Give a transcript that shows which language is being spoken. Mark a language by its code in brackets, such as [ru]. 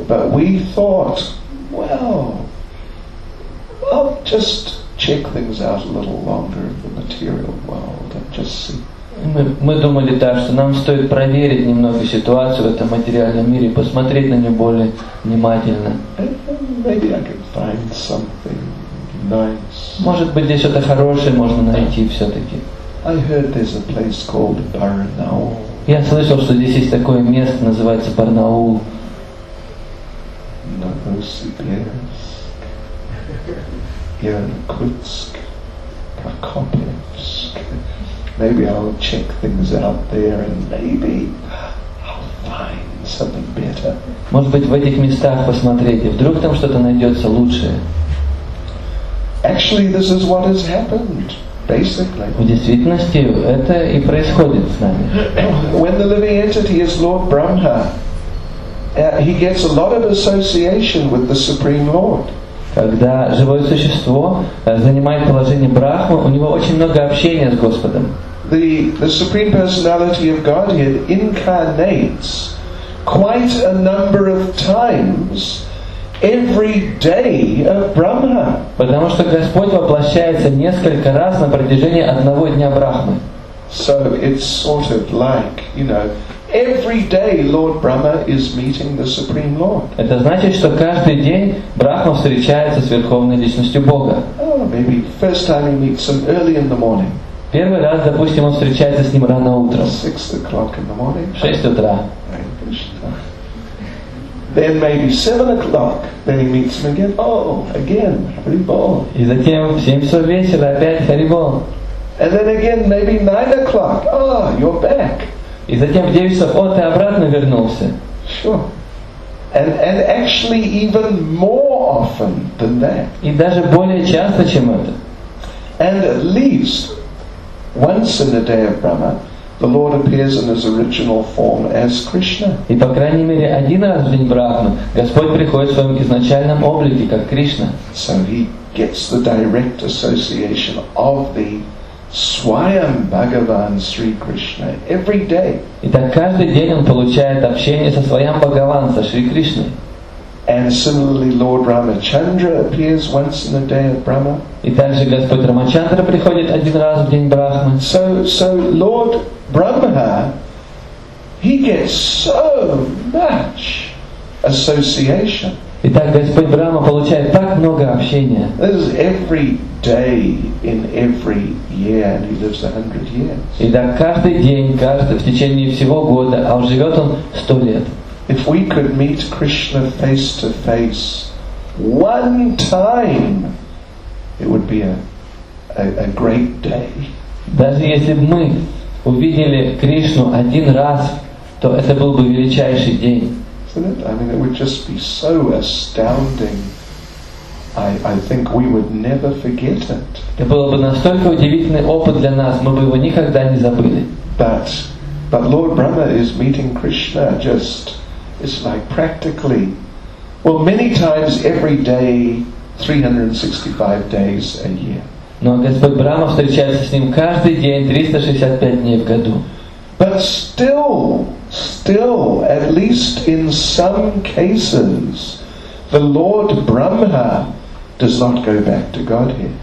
[en] But we thought, well, I'll just check things out a little longer in the material world and just see. [ru] Мы думали так, что нам стоит проверить немного ситуацию в этом материальном мире, посмотреть на нее более внимательно. [en] Maybe I can find something nice. [ru] Может быть, здесь что-то хорошее можно найти все-таки. [en] I heard there's a place called Barnaul. [ru] Я слышал, что здесь есть такое место, называется Барнаул. Новосибирск, Иркутск, Прокопьевск. [en] Maybe I'll check things out there and maybe I'll find something better. [ru] Может быть, в этих местах посмотреть, и вдруг там что-то найдется лучшее. [en] Actually, this is what has happened. [ru] В действительности это и происходит с нами. [en] When the living entity is Lord Brahma, he gets a lot of association with the Supreme Lord. [ru] Когда живое существо занимает положение Брахмы, у него очень много общения с Господом. [en] The Supreme Personality of Godhead incarnates quite a number of times every day of Brahma. [ru] Потому что Господь воплощается несколько раз на протяжении одного дня Брахмы. [en] So it's sort of like, you know, every day Lord Brahma is meeting the Supreme Lord. [ru] Это значит, что каждый день Брахма встречается с Верховной Личностью Бога. [en] Oh, maybe first time he meets him early in the morning. [ru] Первый раз, допустим, он встречается с ним рано утром. [en] 6 o'clock in the morning. [ru] 6 утра. [en] Then maybe 7 o'clock, then he meets him again. Oh, again, Haribol. [ru] И затем в 7 часов вечера опять Haribol. [en] And then again, maybe 9 o'clock. Oh, you're back. [ru] И затем в 9 часов, ты обратно вернулся. [en] Sure. And actually even more often than that. [ru] И даже более часто, чем это. [en] And at least once in the day of Brahma, the Lord appears in his original form as Krishna. [ru] И по крайней мере один раз в день Брахмы Господь приходит в своем изначальном облике как Кришна. [en] So he gets the direct association of the Swayam Bhagavan Sri Krishna every day. [ru] И так каждый день он получает общение со Свайам Бхагаван, со Шри Кришной. [en] And similarly, Lord Ramachandra appears once in the day of Brahma. [ru] И также Господь Рамачандра приходит один раз в день Брахмы. [en] So Lord Brahma, he gets so much association. [ru] И так Господь Брахма получает так много общения. [en] This is every day in every year, and he lives 100 years. [ru] И так каждый день, каждый в течение всего года, а уже живет он 100 лет. [en] If we could meet Krishna face to face one time, it would be a great day. [ru] Даже если бы мы увидели Кришну один раз, то это был бы величайший день. [en] Isn't it? I mean, it would just be so astounding. I think we would never forget it. [ru] Это было бы настолько удивительный опыт для нас, мы бы его никогда не забыли. [en] But Lord Brahma is meeting Krishna just, it's like practically, well, many times every day 365 days a year. [ru] Но Господь Брама встречается с ним каждый день 365 дней в году. [en] But still, at least in some cases, the Lord Brahma does not go back to Godhead.